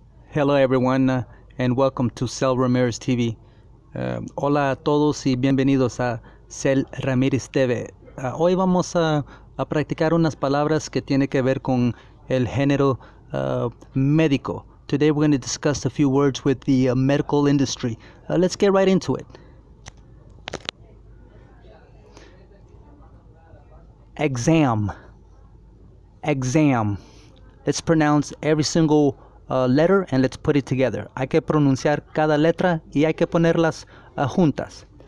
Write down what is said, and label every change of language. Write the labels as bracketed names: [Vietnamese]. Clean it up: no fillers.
[English] Hello everyone and welcome to Cel Ramirez TV. [Spanish] Hola a todos y bienvenidos a Cel Ramirez TV. Hoy vamos a practicar unas palabras que tiene que ver con el género médico. [English] Today we're going to discuss a few words with the medical industry. Let's get right into it. Exam. Let's pronounce every single letter and let's put it together. [Spanish] Hay que pronunciar cada letra y hay que ponerlas juntas.